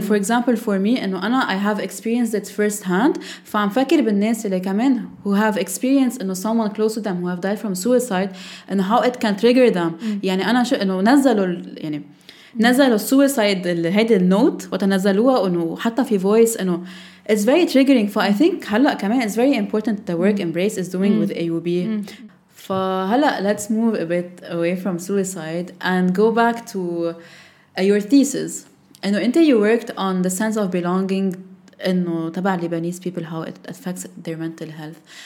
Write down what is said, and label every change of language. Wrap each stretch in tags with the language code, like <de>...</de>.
<en>And for example for me أنا I have experienced it first hand,</en> <ar>فعم فكر بالناس اللي كمان</ar> <en>who have experienced someone close to them who have died from suicide and how it can trigger them.</en> <ar>يعني أنا شو نزلوا يعني نزلوا السويسايد هيدي النوت وتنزلوها انه حتى في فويس انه</ar> <en>it's very triggering. فا I think هلا كمان it's very important the work Embrace is doing with AUB. فهلا let's move a bit away from suicide and go back to your thesis. انه انت you worked on the sense of belonging انه تبع Lebanese people how it affects their mental health.</en>